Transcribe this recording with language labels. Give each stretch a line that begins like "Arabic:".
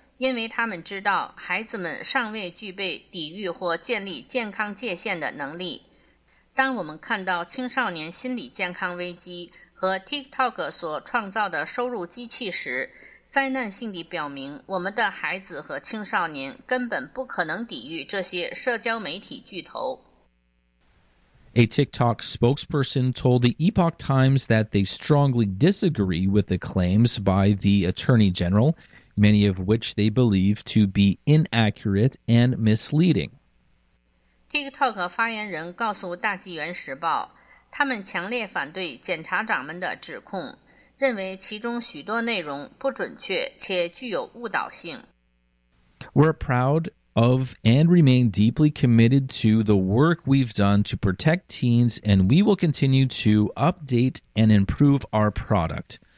Chinese: 因为他们知道孩子们尚未具备抵御或建立健康界限的能力。当我们看到青少年心理健康危机和 TikTok 所创造的收入机器时，灾难性地表明我们的孩子和青少年根本不可能抵御这些社交媒体巨头。
English: A TikTok spokesperson told the Epoch Times that they strongly disagree with the claims by the Attorney General,many of which they believe to be inaccurate and misleading.
Chinese: TikTok 发言人告诉大纪元时报，他们强烈反对检察长们的指控，认为其中许多内容不准确且具有误导性。
English: We're proud of and remain deeply committed to the work we've done to protect teens, and we will continue to update and improve our product.